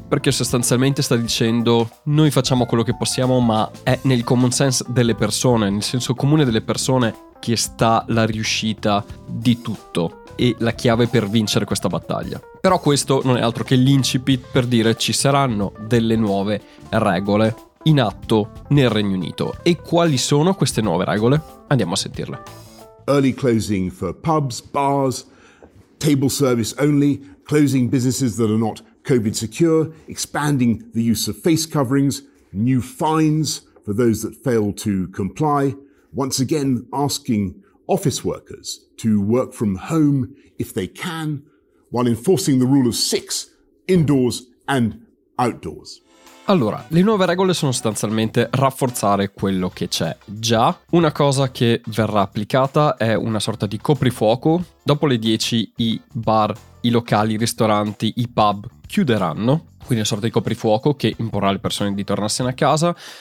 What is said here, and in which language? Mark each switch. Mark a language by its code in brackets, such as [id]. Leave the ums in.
[it] Perché sostanzialmente sta dicendo noi facciamo quello che possiamo, ma è nel common sense delle persone, nel senso comune delle persone, che sta la riuscita di tutto e la chiave per vincere questa battaglia. Però questo non è altro che l'incipit per dire ci saranno delle nuove regole in atto nel Regno Unito. E quali sono queste nuove regole? Andiamo a sentirle. [en] Early closing for pubs, bars, table service only closing businesses that are not COVID secure, expanding the use of face coverings, new fines for those that fail to comply, once again asking office workers to work from home if they can, while enforcing the rule of six indoors and outdoors. [it] Allora, le nuove regole sono sostanzialmente rafforzare quello che c'è già. Una cosa che verrà applicata è una sorta di coprifuoco. Dopo le 10 i bar, i locali, i ristoranti, i pub chiuderanno quindi una sorta di coprifuoco che imporrà alle persone di tornarsene a casa.